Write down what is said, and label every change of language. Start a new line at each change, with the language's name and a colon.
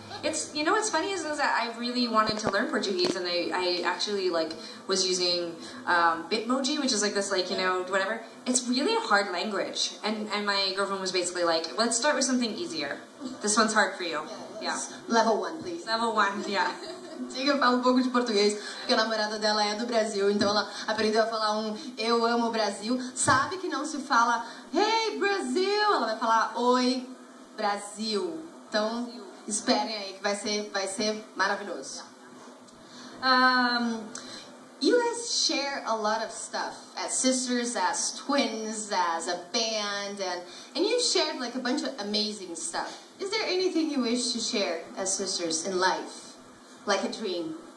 English: It's, you know what's funny is that I really wanted to learn Portuguese, and I actually, like, was using Bitmoji, which is, like, this, like, you know, whatever. It's really a hard language. And my girlfriend was basically like, let's start with something easier. This one's hard for you. Yeah. Level one, please. Level one, yeah.
Portuguese: Diga, fala um pouco de português, porque a namorada dela é do Brasil, então ela aprendeu a falar um eu amo o Brasil, sabe que não se fala hey Brasil, ela vai falar oi Brasil, então esperem aí que vai ser maravilhoso.
English: You guys share a lot of stuff as sisters, as twins, as a band, and you shared like a bunch of amazing stuff. Is there anything you wish to share as sisters in life? Like a dream.